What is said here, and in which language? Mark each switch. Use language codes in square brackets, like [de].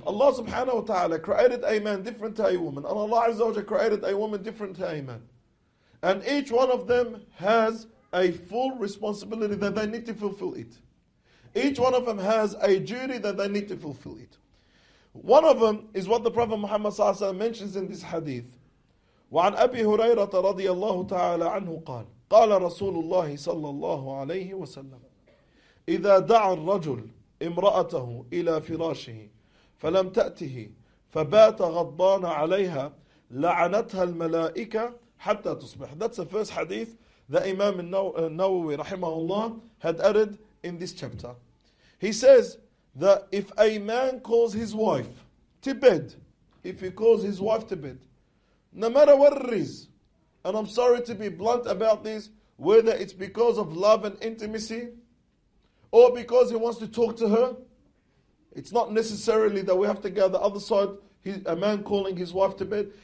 [en] Allah subhanahu wa ta'ala created a man different to a woman, and Allah azza wa jalla created a woman different to a man. And each one of them has a full responsibility that they need to fulfill it. Each one of them has a duty that they need to fulfill it. One of them is what the Prophet Muhammad sallallahu alaihi wasallam mentions in this hadith. [ar] وَعَنْ أَبِي هُرَيْرَةَ رَضِيَ اللَّهُ تَعَالَى عَنْهُ قَالَ قَالَ رَسُولُ اللَّهِ صَلَّى اللَّهُ عَلَيْهِ وَسَلَّمَ إذا دعا الرجل امرأته إلى فراشه فلم تأته فبات غضبان عليها لعنتها الملائكة حتى تصبح. [en] That's the first hadith that Imam Nawawi rahimahullah had added in this chapter. He says that if a man calls his wife to bed, if he calls his wife to bed, no matter what it is, and I'm sorry to be blunt about this, whether it's because of love and intimacy, or because he wants to talk to her, it's not necessarily that we have to go the other side, a man calling his wife to bed.